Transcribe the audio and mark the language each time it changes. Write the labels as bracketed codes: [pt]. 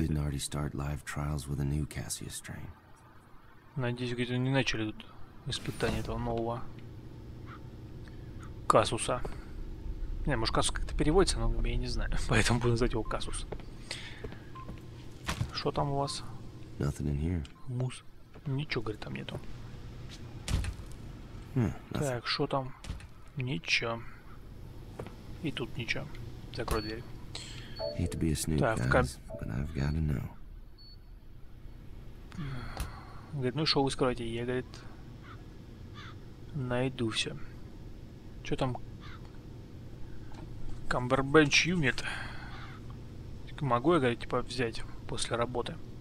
[en] They didn't already start live trials with a new Cassia strain. [ru] Надеюсь, где-то не начали тут испытания этого нового Кассуса. Не, может, Кассус как-то переводится, но я не знаю. Поэтому буду называть его Кассус. Что там у вас? [en] Nothing in here. Мус. [ru] Ничего, говорит, там нету. [en] Nothing. [ru] Так, что там? Ничего. И тут ничего. Закрой дверь. [en] Hate to be a snoop, guys, but I've got to know. [ru] Говорит, ну и шо вы скрываете? Я, говорит, найду все. Чё там? Камбербэтч юнит. Могу я, говорит, типа, взять после работы?